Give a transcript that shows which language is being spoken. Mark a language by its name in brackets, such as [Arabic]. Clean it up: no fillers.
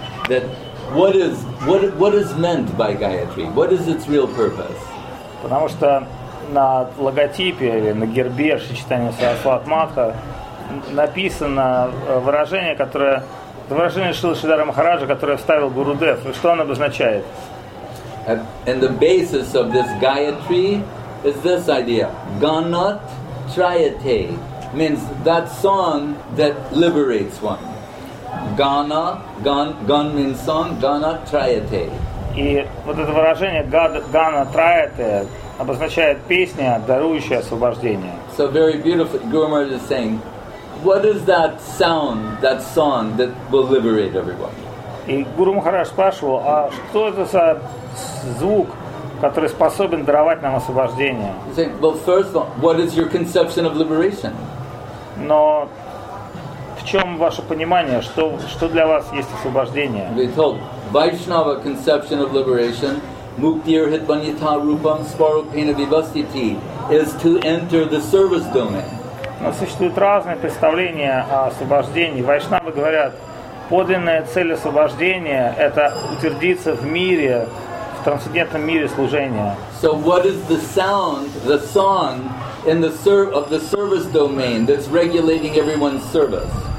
[English] That what is meant by Gayatri? What is its real purpose? [Russian] Потому что на логотипе или на гербе сочетания Сарасват Матха написано выражение, которое выражение Шрилы Шридхара Махараджа, которое вставил Гурудев. И что оно обозначает? [English] And the basis of this Gayatri is this idea. Ganat Trayate means that song that liberates one. Gana, gan means song, Gana Trayate. [Russian] И вот это выражение Gana Trayate обозначает песня, дарующая освобождение. [English] So very beautiful. Guru Maharaj is saying, what is that sound, that song that will liberate everyone? [Russian] И Гуру Махарадж спрашивал, а что это за звук, который способен даровать нам освобождение? [English] Saying, well, first of all, what is your conception of liberation? [Russian] Но в чем ваше понимание, что для вас есть освобождение? [English] We told Vaishnava conception of liberation, [Sanskrit] Muktir Hitbanyita Rupam Sparu Pena Vivastiti, [English] is to enter the service domain. [Russian] Но существуют разные представления о освобождении. Вайшнавы говорят, подлинная цель освобождения – это утвердиться в мире, в трансцендентном мире служения. [English] So what is the sound, the song in the of the service domain that's regulating everyone's service?